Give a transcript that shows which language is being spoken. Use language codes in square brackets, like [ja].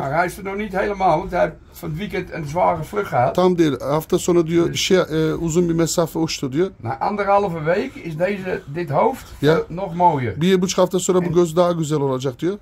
[nl] Maar hij is er nog niet helemaal, want hij heeft van het weekend een zware vlucht gehad. [tr] Tam değil. Hafta sonu diyor, uzun bir mesafe uçtu diyor. [nl] Na anderhalve week is dit hoofd nog mooier. [tr] Bir buçuk hafta sonra bu göz daha güzel olacak diyor.